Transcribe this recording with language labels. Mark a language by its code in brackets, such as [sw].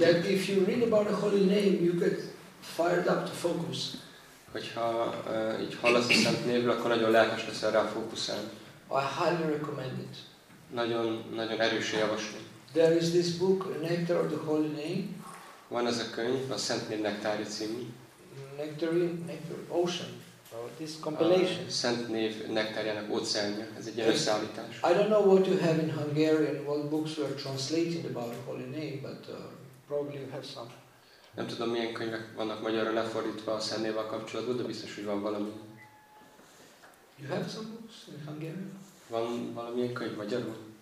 [en] That if you read about the holy name, you get fired up to focus. [hu] Hogyha így hallasz a szent névről, akkor nagyon lelkes leszel rá fókuszálni. [en] I highly recommend it. [hu] Nagyon, nagyon erősen javaslom. [en] There is this book, Nectar of the Holy Name. [hu] Van ez a könyv, a Szent Név Nektári című. [en] Nectar Ocean, this compilation. [hu] A Szent Név Nektárjának óceánja, ez egy ilyen összeállítás. [en] I don't know what you have in Hungarian, what books were translated about the Holy Name, but probably you have some. [hu] Nem tudom, milyen könyvek vannak magyarra lefordítva a Szent Névvel kapcsolatban, de biztos, hogy van valami. [en] You have some books in Hungarian? [hu] Van valamilyen könyv magyarul?